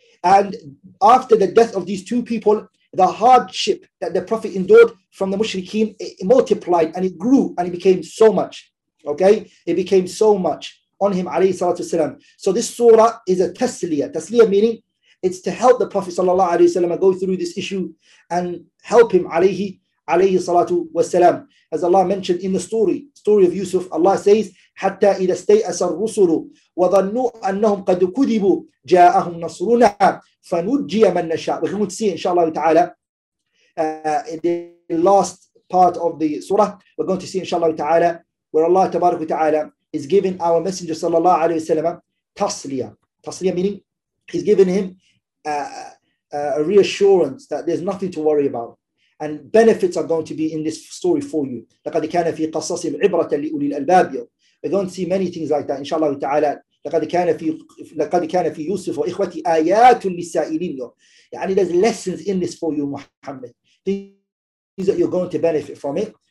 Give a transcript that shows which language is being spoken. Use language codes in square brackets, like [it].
[en] And after the death of these two people, the hardship that the Prophet endured from the mushrikeen, it multiplied and it grew and it became so much. Okay? It became so much on him alayhi salatu wasalam. So this surah is a tasliyah. Tasliyah meaning it's to help the Prophet sallallahu alayhi wasallam go through this issue and help him alayhi salatu wasalam. As Allah mentioned in the story of Yusuf, Allah says, [ar] حتى إذا استيأس الرسل وظنوا أنهم قد كذبوا جاءهم نصرنا فنجي من نشاء. [en] We're going to see, inshallah ta'ala, in the last part of the surah, we're going to see, inshallah ta'ala, where Allah tabarak wa ta'ala is giving our messenger sallallahu alayhi wa sallam tasliyah, meaning he's giving him a reassurance that there's nothing to worry about, and benefits are going to be in this story for you. [ar] لقد كان في قصصهم عبرة لأولي الألباب. [en] I don't see many things like that, inshallah ta'ala. [ar] لقد كان في يوسف وإخوتي آيات للسائلين. [en] There's lessons in this for you, Muhammad. Things that you're going to benefit from it.